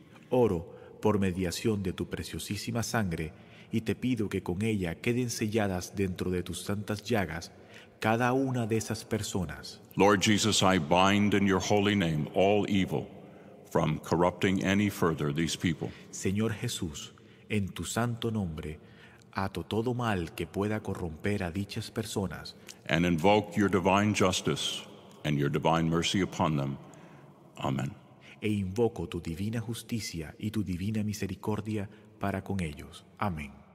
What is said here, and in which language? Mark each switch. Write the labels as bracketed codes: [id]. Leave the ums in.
[es] Oro por mediación de tu preciosísima sangre y te pido que con ella queden selladas dentro de tus santas llagas cada una de esas personas. [en] Lord Jesus, I bind in your holy name all evil from corrupting any further these people. [es] Señor Jesús, en tu santo nombre, ato todo mal que pueda corromper a dichas personas. [en] And invoke your divine justice and your divine mercy upon them. Amen. [es] E invoco tu divina justicia y tu divina misericordia para con ellos. Amén.